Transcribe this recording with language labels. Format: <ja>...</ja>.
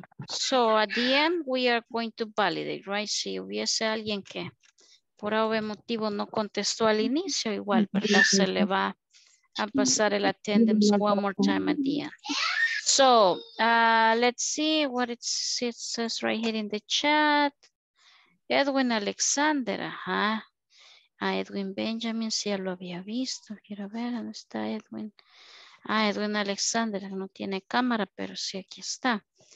<en>So at the end we are going to validate, right?</en> <es>Si hubiese alguien que por algún motivo no contestó al inicio, igual, ¿verdad? Se le va a pasar el</es> <en>attendance one more time at the end. So let's see what it says right here in the chat.</en> <es>Edwin Alexander, ajá. A Edwin Benjamin, si ya lo había visto. Quiero ver, ¿dónde está Edwin? Ah, Edwin Alexander, no tiene cámara, pero sí, aquí está.</es>